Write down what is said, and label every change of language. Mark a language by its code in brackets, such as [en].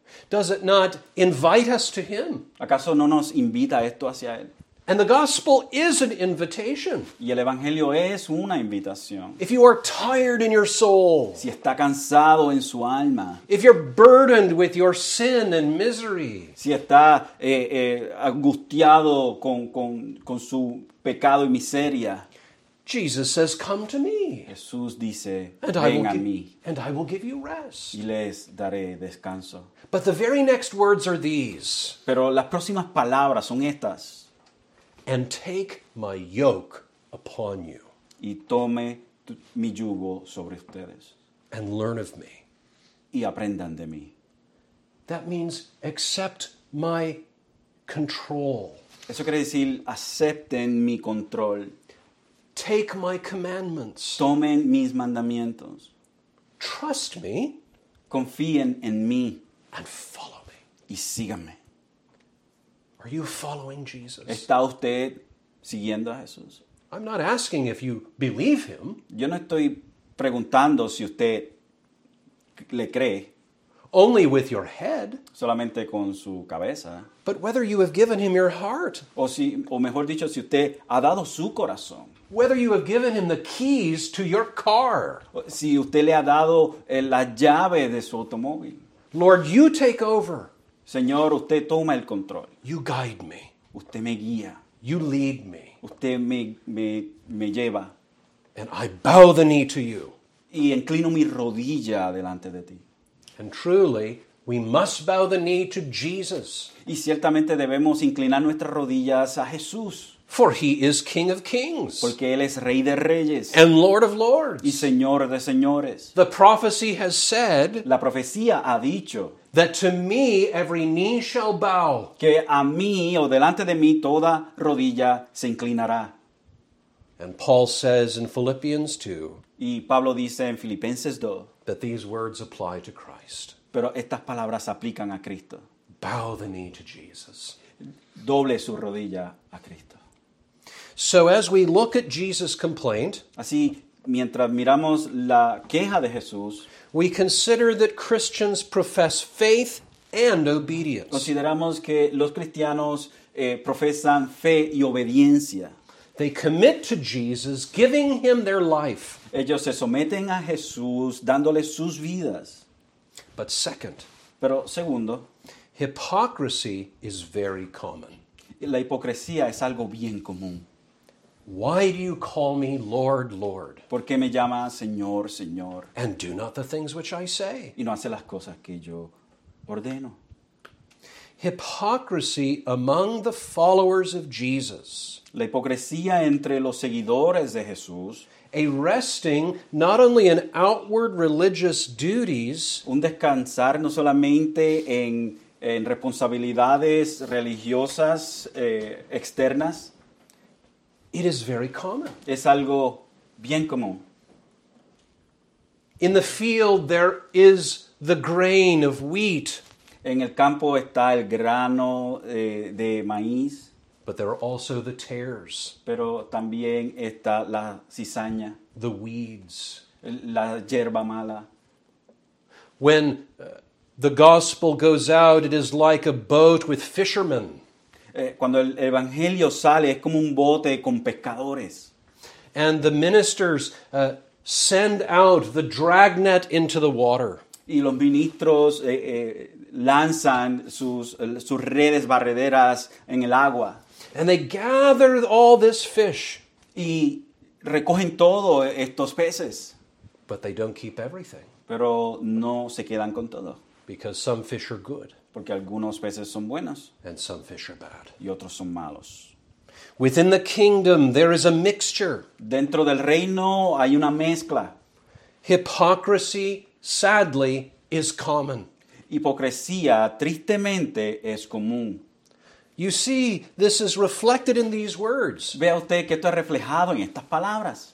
[en] Does it not invite us to him? [es] ¿Acaso no nos invita esto hacia él? [en] And the gospel is an invitation. [es] Y el evangelio es una invitación. [en] If you are tired in your soul. [es] Si está cansado en su alma. [en] If you're burdened with your sin and misery. [es] Si está angustiado con su pecado y miseria. [en] Jesus says, come to me. [es] Jesús dice, ven a mí. [en] And I will give you rest. [es] Y les daré descanso. [en] But the very next words are these. [es] Pero las próximas palabras son estas. [en] And take my yoke upon you. [es] Y tome mi yugo sobre ustedes. [en] And learn of me. [es] Y aprendan de mí. [en] That means accept my control. [es] Eso quiere decir, acepten mi control. [en] Take my commandments. [es] Tomen mis mandamientos. [en] Trust me. [es] Confíen en mí. [en] And follow me. [es] Y síganme. [en] Are you following Jesus? [es] ¿Está usted siguiendo a Jesús? [en] I'm not asking if you believe him. [es] Yo no estoy preguntando si usted le cree. [en] Only with your head. [es] Solamente con su cabeza. [en] But whether you have given him your heart. [es] O mejor dicho, si usted ha dado su corazón. [en] Whether you have given him the keys to your car. [es] Si usted le ha dado la llave de su automóvil. [en] Lord, you take over. [es] Señor, usted toma el control. [en] You guide me. [es] Usted me guía. [en] You lead me. [es] Usted me lleva. [en] And I bow the knee to you. [es] Y inclino mi rodilla delante de ti. [en] And truly, we must bow the knee to Jesus. [es] Y ciertamente debemos inclinar nuestras rodillas a Jesús. [en] For he is King of Kings. [es] Porque él es Rey de Reyes. [en] And Lord of Lords. [es] Y Señor de Señores. [en] The prophecy has said. [es] La profecía ha dicho. [en] That to me every knee shall bow. [es] Que a mí o delante de mí toda rodilla se inclinará. [en] And Paul says in Philippians 2. [es] Y Pablo dice en Filipenses 2. [en] That these words apply to Christ. [es] Pero estas palabras aplican a Cristo. [en] Bow the knee to Jesus. [es] Doble su rodilla a Cristo. [en] So as we look at Jesus' complaint, [es] así mientras miramos la queja de Jesús, [en] we consider that Christians profess faith and obedience. [es] Consideramos que los cristianos profesan fe y obediencia. [en] They commit to Jesus, giving him their life. [es] Ellos se someten a Jesús, dándole sus vidas. [en] But second, [es] pero segundo, [en] hypocrisy is very common. [es] La hipocresía es algo bien común. [en] Why do you call me Lord, Lord? [es] ¿Por qué me llamas Señor, Señor? [en] And do not the things which I say. [es] Y no hace las cosas que yo ordeno. [en] Hypocrisy among the followers of Jesus. [es] La hipocresía entre los seguidores de Jesús. [en] A resting not only in outward religious duties. [es] Un descansar no solamente en responsabilidades religiosas externas. [en] It is very common. [es] Es algo bien común. [en] In the field there is the grain of wheat. [es] En el campo está el grano de maíz. [en] But there are also the tares. [es] Pero también está la cizaña. [en] The weeds. [es] La hierba mala. [en] When the gospel goes out, it is like a boat with fishermen. [es] Cuando el evangelio sale, es como un bote con pescadores. [en] And the ministers send out the dragnet into the water. [es] Y los ministros lanzan sus redes barrederas en el agua. [en] And they gather all this fish. [es] Y recogen todos estos peces. [en] But they don't keep everything. [es] Pero no se quedan con todo. [en] Because some fish are good. [es] Porque algunos peces son buenos. [en] And some fish are bad. [es] Y otros son malos. [en] Within the kingdom there is a mixture. [es] Dentro del reino hay una mezcla. [en] Hypocrisy, sadly, is common. [es] Hipocresía, tristemente, es común. [en] You see, this is reflected in these words. [es] Ve usted que esto es reflejado en estas palabras.